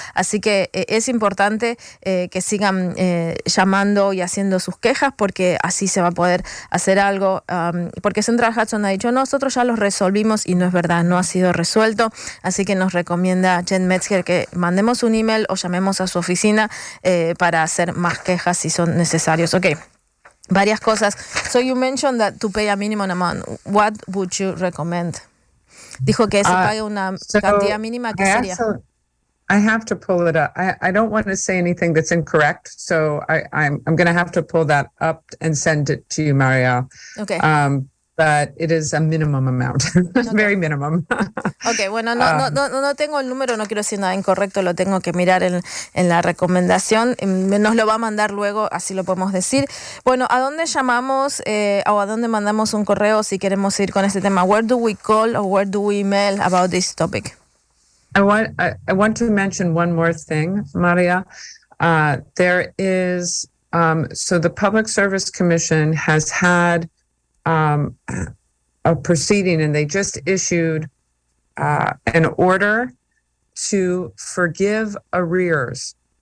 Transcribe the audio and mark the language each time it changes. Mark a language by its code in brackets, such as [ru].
[es] Así que es importante que sigan llamando y haciendo sus quejas, porque así se va a poder hacer algo, porque Central Hudson ha dicho, nosotros ya los resolvimos, y no es verdad, no ha sido resuelto. Así que nos recomienda Chet Metzger que mandemos un email o llamemos a su oficina para hacer más quejas si son necesarios. Ok, varias cosas. [en] So you mentioned that to pay a minimum amount, what would you recommend? [es] Dijo que se pague una cantidad mínima, ¿qué sería? [en] I have to pull it up. I don't want to say anything that's incorrect, so I'm going to have to pull that up and send it to you, Marielle. Okay. But it is a minimum amount, very minimum. [es] Okay, bueno, no tengo el número, no quiero decir nada incorrecto, lo tengo que mirar en la recomendación. Nos lo va a mandar luego, así lo podemos decir. Bueno, ¿a dónde llamamos o a dónde mandamos un correo si queremos ir con este tema? [en] Where do we call or where do we email about this topic? I want to mention one more thing, Maria. So the Public Service Commission has had a proceeding, and they just issued an order to forgive arrears,